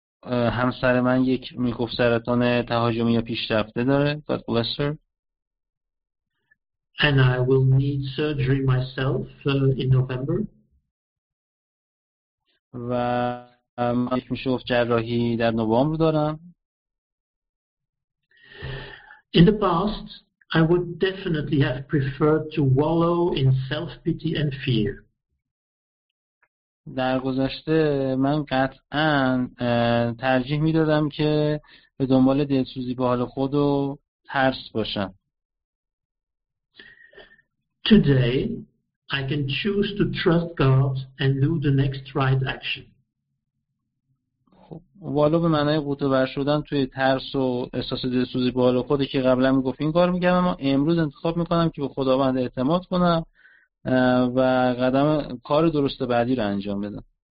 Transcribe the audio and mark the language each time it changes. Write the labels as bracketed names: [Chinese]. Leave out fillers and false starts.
[Persian] همسر من یک میکروب سرطان تهاجمی یا پیشرفته داره. [English] God bless her. And I will need surgery myself in November. [Persian] و من یک میشه گفت جراحی در نوامبر دارم. [English] In the past I would definitely have preferred to wallow in self-pity and fear. [Persian] در گذشته من قطعاً ترجیح می‌دادم که به دنبال دلسوزی به حال خود و ترس باشم. [English] Today I can choose to trust God and do the next right action. [Persian] والو به معنای قوطه‌ور شدن توی ترس و احساس دلسوزی به حال خودی که قبلا میگفت این کار میگم، اما امروز انتخاب میکنم که به خداوند اعتماد کنم و قدم کار درست بعدی رو انجام بدم.